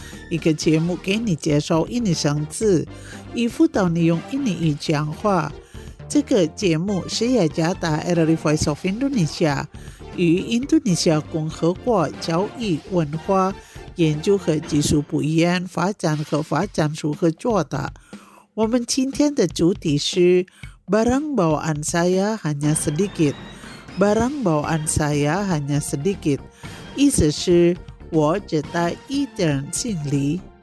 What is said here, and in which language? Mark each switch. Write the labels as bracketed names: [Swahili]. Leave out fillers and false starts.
[Chinese] 一个节目给你介绍印尼生字，以辅导你用印尼语讲话。这个节目是雅加达 RRI Voice of Indonesia 与印度尼西亚共和国教育文化研究和技术部一样发展和发展组合作的。我们今天的主题是 [Indonesian] Barang bawaan saya hanya sedikit。 Barang bawaan saya hanya sedikit [Chinese] 意思是我只带一点行李。